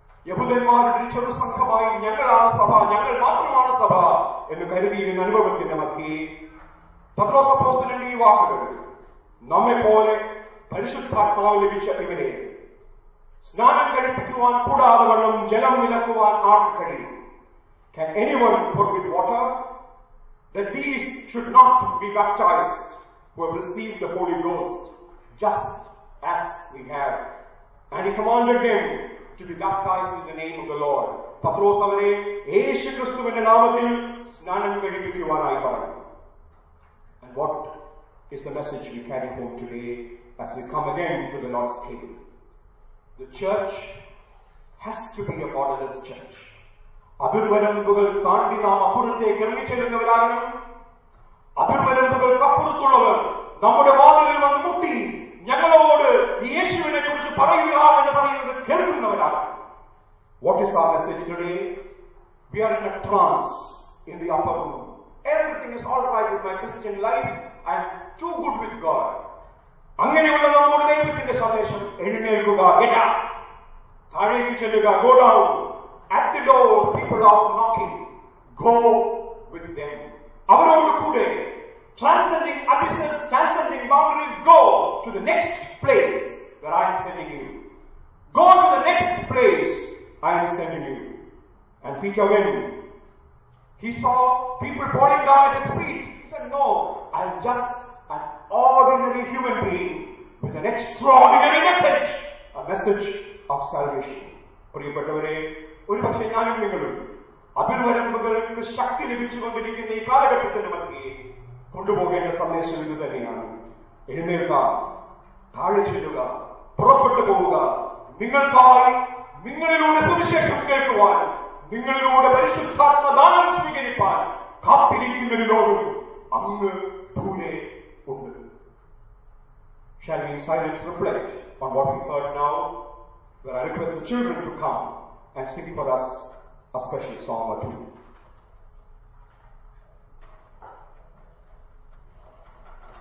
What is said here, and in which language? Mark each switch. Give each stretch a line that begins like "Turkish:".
Malayalam: യഹൂദന്മാരുടെ ഒരു ചെറു സംഘമായി ഞങ്ങളാണ് സഭ, ഞങ്ങൾ മാത്രമാണ് സഭ എന്ന് കരുതിയിരുന്ന അനുഭവത്തിന്റെ മധ്യേ പത്രോസ് അപ്പോസ്തലന്റെ ഈ വാക്കുകൾ നമ്മെ പോലെ പരിശുദ്ധാത്മാവ് ലഭിച്ച ഇവരെ സ്നാനം കഴിപ്പിക്കുവാൻ കൂടാതെ വെള്ളം ജലം വിലക്കുവാൻ ആർക്ക് കഴിയും?
English: Can anyone put with water? That these should not be baptized who have received the Holy Ghost just as we have. And he commanded them to be baptized in the name of the Lord.
Malayalam: പത്രോസ് അവരെ യേശുക്രിസ്തുവിന്റെ നാമത്തിൽ സ്നാനം കഴിപ്പിക്കുവാനായി പറഞ്ഞു.
English: And what is the message we carry home today as we come again to the Lord's table? The church has to be a borderless church.
Malayalam: അതിർവരമ്പുകൾ താണ്ടി നാം അപ്പുറത്തേക്ക് ഇറങ്ങിച്ചെല്ലുന്നവരാകണം. അതിർവരമ്പുകൾക്കപ്പുറത്തുള്ളവർ നമ്മുടെ വാതിലിൽ വന്ന് മുട്ടി ഞങ്ങളോട് ഈ യേശുവിനെ കുറിച്ച് പറയുക എന്ന് പറയുന്നത് കേൾക്കുന്നവരാണ്.
English: What is our message today? We are in a trance in the upper room. Everything is all right with my Christian life. I am too good with God.
Malayalam: അങ്ങനെയുള്ള നമ്മുടെ ദൈവത്തിന്റെ സന്ദേശം എഴുന്നേൽക്കുക, താഴേക്ക് ചെല്ലുക, go down.
English: At the door, people are knocking. Go with them. അവരോട് കൂടെ transcending abysses, transcending boundaries, go to the next place where I am sending you. Go to the next place I am sending you. And Peter went. He saw people falling down at his feet. He said, no, I'm just an ordinary human being with an extraordinary message. A message of salvation.
Malayalam: പ്രിയപ്പെട്ടവരെ, ഒരുപക്ഷെ ഞാനും നിങ്ങളും അഭിവരമ്പുകൾക്ക് ശക്തി ലഭിച്ചു കൊണ്ടിരിക്കുന്ന ഈ കാലഘട്ടത്തിന് മധ്യേ കൊണ്ടുപോകേണ്ട സന്ദേശം ഇത് തന്നെയാണ്. എഴുന്നേൽക്കുക, താഴെ ചെല്ലുക, പുറപ്പെട്ടു പോവുക. നിങ്ങൾക്കായി നിങ്ങളിലൂടെ സുവിശേഷം കേൾക്കുവാൻ, നിങ്ങളിലൂടെ പരിശുദ്ധാത്മ ദാനം സ്വീകരിപ്പാൻ കാത്തിരിക്കുന്നതിനോടും അങ്ങ് ദൂരെ ഉണ്ട്.
English: Shall we silence reflect on what we heard now? Where I request the children to come and sing for us a special song or two.